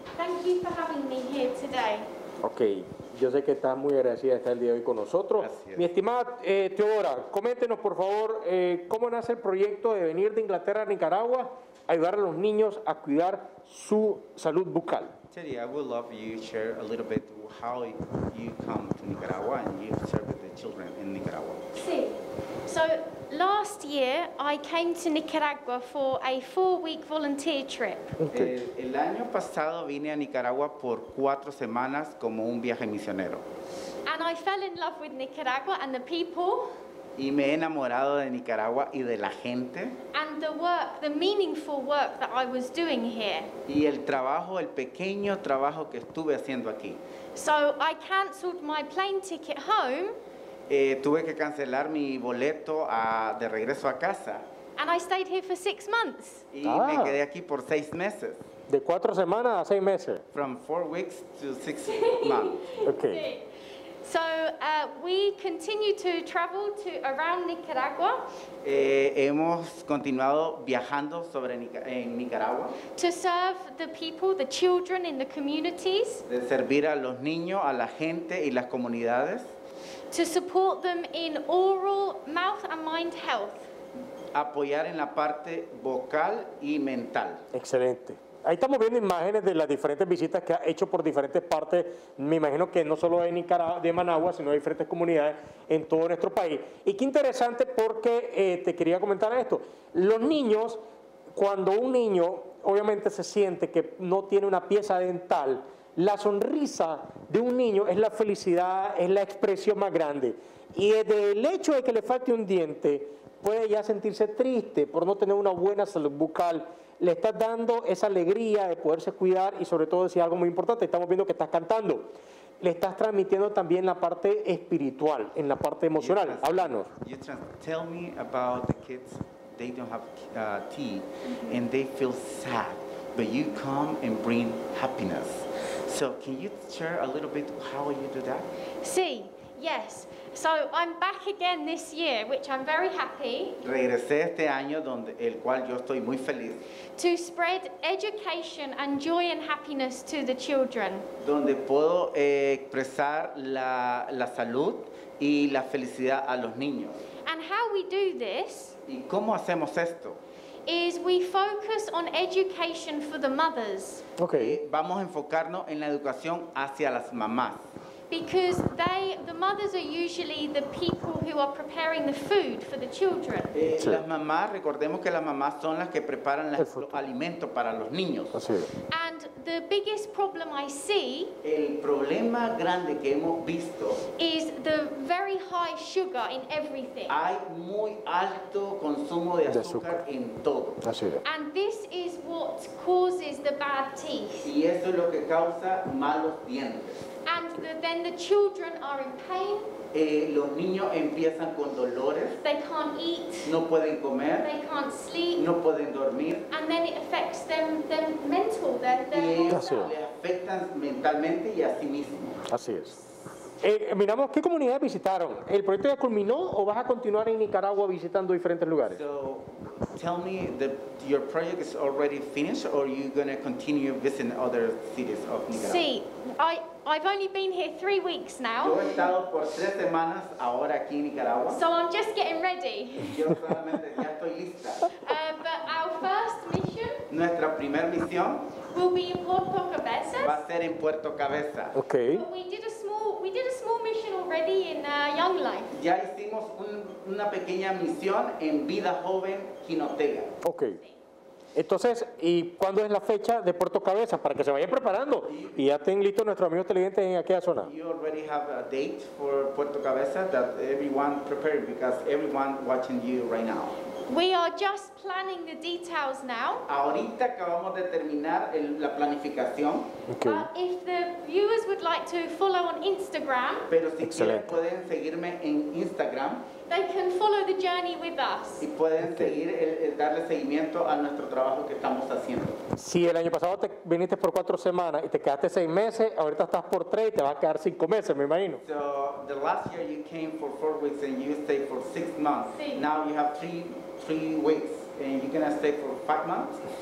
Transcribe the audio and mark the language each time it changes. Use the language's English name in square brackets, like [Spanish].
[English] Thank you for having me here today. Okay. [Spanish] Yo sé que estás muy agradecida de estar el día de hoy con nosotros. Gracias. Mi estimada Theodora, coméntenos por favor cómo nace el proyecto de venir de Inglaterra a Nicaragua a ayudar a los niños a cuidar su salud bucal. [English] Teddy, I would love you to share a little bit how you come to Nicaragua and you serve the children in Nicaragua. Sí. So last year I came to Nicaragua for a 4-week volunteer trip. Okay. [Spanish] El año pasado vine a Nicaragua por 4 semanas como un viaje misionero. [English] And I fell in love with Nicaragua and the people. [Spanish] Y me he enamorado de Nicaragua y de la gente. [English] And the work, the meaningful work that I was doing here. [Spanish] Y el trabajo, el pequeño trabajo que estuve haciendo aquí. [English] So I canceled my plane ticket home. [Spanish] Tuve que cancelar mi boleto de regreso a casa. [English] And I stayed here for 6 months. [Spanish] Y me quedé aquí por 6 meses. De 4 semanas a 6 meses. [English] From 4 weeks to 6 months. Okay. So we continue to travel to around Nicaragua. [Spanish] Hemos continuado viajando sobre Nicaragua. [English] To serve the people, the children in the communities. [Spanish] De servir a los niños, a la gente y las comunidades. [English] To support them in oral, mouth and mind health. [Spanish] Apoyar en la parte vocal y mental. Excelente. Ahí estamos viendo imágenes de las diferentes visitas que ha hecho por diferentes partes. Me imagino que no solo en Nicaragua, de Managua, sino en diferentes comunidades en todo nuestro país. Y qué interesante porque te quería comentar esto. Los niños, cuando un niño obviamente se siente que no tiene una pieza dental, la sonrisa de un niño es la felicidad, es la expresión más grande. Y desde el hecho de que le falte un diente, puede ya sentirse triste por no tener una buena salud bucal. Le estás dando esa alegría de poderse cuidar y sobre todo decir algo muy importante, estamos viendo que estás cantando. Le estás transmitiendo también la parte espiritual, en la parte emocional. Háblanos. [English] Tell me about the kids, they don't have tea and they feel sad, but you come and bring happiness. So can you share a little bit how you do that? Sí, yes. So I'm back again this year, which I'm very happy. [Spanish] Regresé este año donde el cual yo estoy muy feliz. [English] To spread education and joy and happiness to the children. [Spanish] Donde puedo expresar la salud y la felicidad a los niños. [English] And how we do this? [Spanish] ¿Y cómo hacemos esto? [English] Is we focus on education for the mothers. Okay. [Spanish] Vamos a enfocarnos en la educación hacia las mamás. [English] Because the mothers are usually the people who are preparing the food for the children. [Spanish] Sí. Las mamás, recordemos que las mamás son las que preparan los alimentos para los niños. Así es. [English] And the biggest problem I see, [Spanish] el problema grande que hemos visto, [English] is the very high sugar in everything. [Spanish] Hay muy alto consumo de azúcar en todo. Así es. [English] And this is what causes the bad teeth. [Spanish] Y eso es lo que causa malos dientes. [English] And then the children are in pain. [Spanish] Los niños empiezan con dolores. [English] They can't eat. [Spanish] No pueden comer. [English] They can't sleep. [Spanish] No pueden dormir. [English] And then it affects them mental. Their [Spanish] Así es. Le afectan mentalmente y a sí mismo. Así es. Miramos, ¿qué comunidades visitaron? ¿El proyecto ya culminó o vas a continuar en Nicaragua visitando diferentes lugares? [English] So, tell me, your project is already finished or are you going to continue visiting other cities of Nicaragua? Sí, I've only been here 3 weeks now. [Spanish] Yo he estado por 3 semanas ahora aquí en Nicaragua. [English] So I'm just getting ready. [Spanish] Yo solamente ya estoy lista. [English] But our first mission, [Spanish] nuestra primera misión, [English] will be in Puerto Cabezas. [Spanish] Va a ser en Puerto Cabezas. [English] Okay. But we did a small mission already in Young Life. [Spanish] Ya hicimos una pequeña misión en Vida Joven, Quinotega. [English] Okay. [Spanish] Entonces, ¿y cuándo es la fecha de Puerto Cabezas? Para que se vayan preparando y ya estén listos nuestros amigos televidentes en aquella zona. [English] You already have a date for Puerto Cabezas that everyone prepared because everyone watching you right now. We are just planning the details now. [Spanish] Ahorita acabamos de terminar la planificación. [English] Okay. If the viewers would like to follow on Instagram. [Spanish] Pero si quieren pueden seguirme en Instagram. [English] They can follow the journey with us. [Spanish] Y pueden seguir el darle seguimiento a nuestro trabajo que estamos haciendo. Si el año pasado te viniste por 4 semanas y te quedaste 6 meses, ahorita estás por 3 y te vas a quedar 5 meses, me imagino. [English] So the last year you came for 4 weeks and you stayed for 6 months. [Spanish] Sí. [English] Now you have three weeks and you're gonna stay for 5 months.